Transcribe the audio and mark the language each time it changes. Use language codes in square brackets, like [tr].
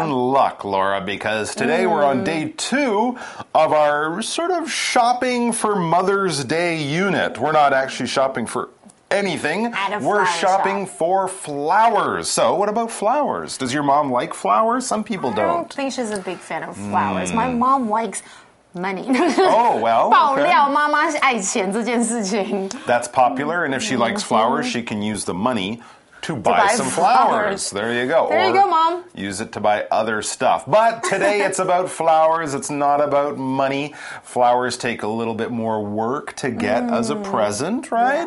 [en] In luck, Laura, because today we're on day two of our sort of shopping for Mother's Day unit. We're not actually shopping for anything. We're shopping for flowers. So, what about flowers? Does your mom like flowers? Some people don't. I don't think she's a big fan of flowers. My mom likes money. Oh, well. [zh] 爆料妈妈是爱钱这件事情。 [en] That's popular, and if she likes flowers, she can use the money to buy some flowers. There you go. There you go, Mom. Use it to buy other stuff. But today it's about flowers. It's not about money. Flowers take a little bit more work to get as a present, right?